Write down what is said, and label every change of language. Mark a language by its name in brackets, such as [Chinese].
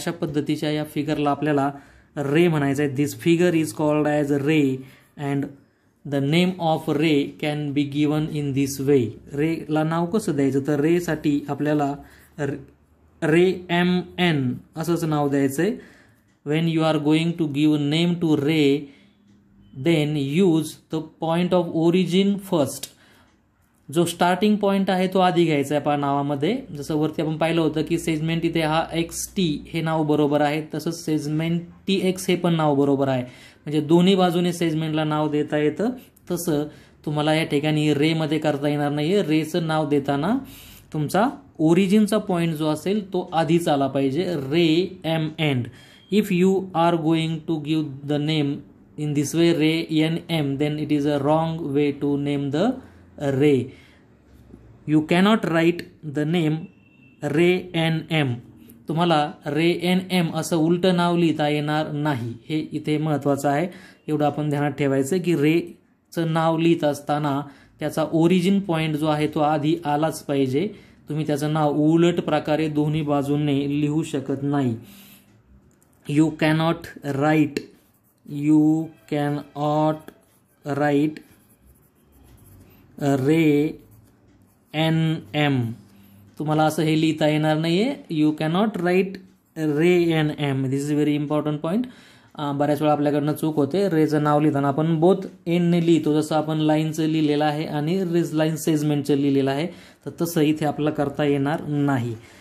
[Marathi] अशा पद्धतीच्या या फिगरला आपल्याला रे म्हणायचं आहे. [English] This figure is called as a ray and the name of ray can be given in this way. [Marathi] रेला नाव कसं द्यायचं, तर रेसाठी आपल्याला रे एम एन असंच नाव द्यायचं आहे. [English] When you are going to give a name to ray, then use the point of origin first. [Marathi] जो starting point आहे तो आधी घ्यायचा आहे आपण नावामध्ये. जसं वरती आपण पाहिलं होतं की सेजमेंट इथे हा एक्स टी हे नाव बरोबर आहे, तसंच सेजमेंट टी एक्स हे पण नाव बरोबर आहे. म्हणजे दोन्ही बाजूने सेजमेंटला नाव देता येतं, तसं तुम्हाला या ठिकाणी रेमध्ये करता येणार नाही आहे. रेचं नाव देताना तुमचा ओरिजिनचा पॉईंट जो असेल तो आधीच आला पाहिजे, रे M end. [English] If you are going to give the name in this way, ray nm, then it is a wrong way to name the ray. You cannot write the name ray nm. [Marathi] तुम्हाला ray nm असं उलटं नाव लिहिता येणार नाही, हे इथे महत्त्वाचं आहे. एवढं आपण ध्यानात ठेवायचं की रेचं नाव लिहित असताना त्याचा ओरिजिन पॉईंट जो आहे तो आधी आलाच पाहिजे. तुम्ही त्याचं नाव उलट प्रकारे दोन्ही बाजूंनी लिहू शकत नाही. [English] You cannot write, you cannot write ray nm. [Marathi] तुम्हाला असं हे लिहिता येणार नाही आहे, [English] You cannot write ray N M. This is very important point. [Marathi] बऱ्याच वेळा आपल्याकडनं चूक होते, रेचं नाव लिहिताना आपण बोथ एनने लिहितो, जसं आपण लाईनचं लिहिलेलं आहे आणि रेज लाईन सेजमेंटचं लिहिलेलं आहे, तर तसं इथे आपल्याला करता येणार नाही.